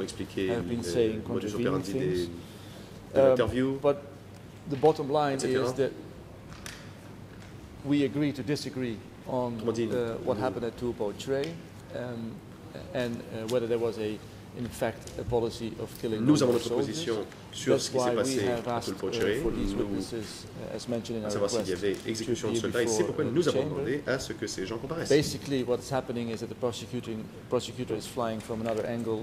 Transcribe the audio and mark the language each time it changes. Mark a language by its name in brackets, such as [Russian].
[English] have been saying contravening things. But the bottom line is that we agree to disagree on what happened at Tulpo Tray and whether there was a in fact, a policy of killing [French] Nous avons notre position sur ce qui s'est passé à Tulpocheré, à savoir s'il y avait exécution de soldats, et c'est pourquoi nous avons demandé à ce que ces gens comparaissent. [English] Basically, what's happening is that the prosecutor is flying from another angle.